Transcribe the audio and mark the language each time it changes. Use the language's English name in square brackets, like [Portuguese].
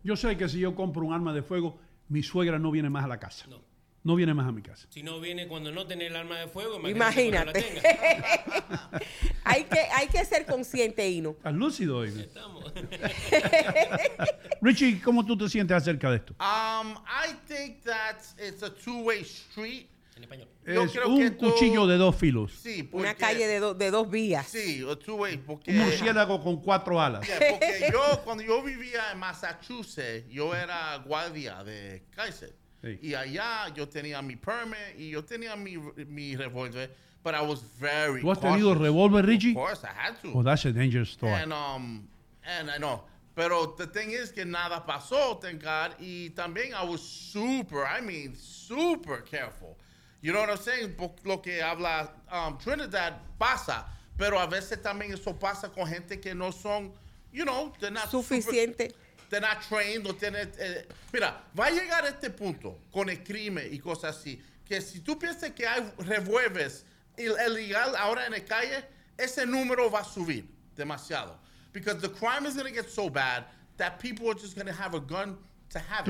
[Spanish] Yo sé que si yo compro un arma de fuego, mi suegra no viene más a la casa. No viene más a mi casa. Si no viene cuando no tiene el arma de fuego, imagínate. No la hay que ser consciente, Ino. Estás lúcido, Ino. Estamos. Richie, ¿cómo tú te sientes acerca de esto? [English] I think that it's a two-way street. [Spanish] En español. Es un cuchillo de dos filos. Sí, porque una calle de dos vías. [English] Sí, a two-way. Porque [Spanish] un murciélago con cuatro alas. Yeah, porque cuando yo vivía en Massachusetts, yo era guardia de Kaiser. Sí. Y allá yo tenía mi permit y yo tenía mi revólver, [English] but I was very cautious. [Spanish] ¿Tú has tenido revólver, Richie? [English] Of course, I had to. Oh, that's a dangerous thought. And I know. Pero the thing is [Spanish] que nada pasó, [English] thank God. [Spanish] Y también [English] I was super careful. You know what I'm saying? [Spanish] Lo que habla Trinidad pasa, pero a veces también eso pasa con gente que no son, you know, [English] they're not [Spanish] suficiente. [English] Super, they're not trained, [Spanish] no tiene. Mira, va a llegar a este punto con el crimen y cosas así, que si tú piensas que hay revuelves ilegal ahora en la calle, ese número va a subir demasiado. [English] Because the crime is going to get so bad that people are just going to have a gun to have it.